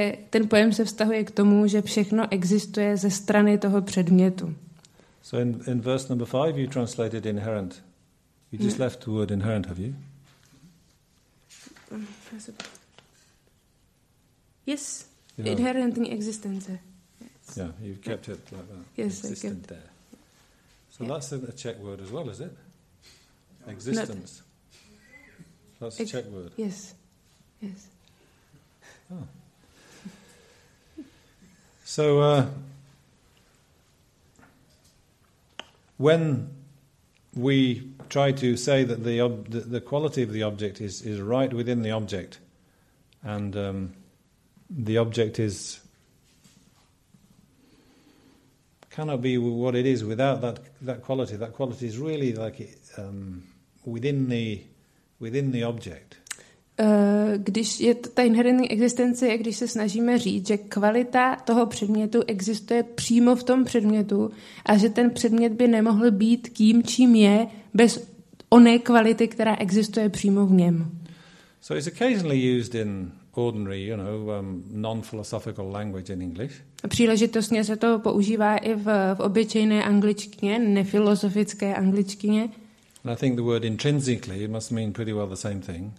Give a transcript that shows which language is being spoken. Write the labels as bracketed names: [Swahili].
[Czech] Ten pojem se vztahuje k tomu, že všechno existuje ze strany toho předmětu. [English] So in verse number 5 you translated inherent. You just left the word inherent, have you? Yes, you know, inherent in existence. Yes. Yeah, you've kept it like that. Yes, existent there. So that's a Czech word as well, is it? Existence. That's a Czech word. Yes. Yes. Oh. So when we try to say that the quality of the object is right within the object, and the object is cannot be what it is without that quality. That quality is really like within the object. [Czech] Když je ta inherentní existence, je když se snažíme říct, že kvalita toho předmětu existuje přímo v tom předmětu a že ten předmět by nemohl být tím, čím je, bez oné kvality, která existuje přímo v něm. [English] So it's occasionally used in ordinary, you know, non-philosophical language in English. [Czech] Příležitostně se to používá i v obyčejné angličtině, nefilosofické angličtině. [English] And I think the word intrinsically must mean pretty well the same thing.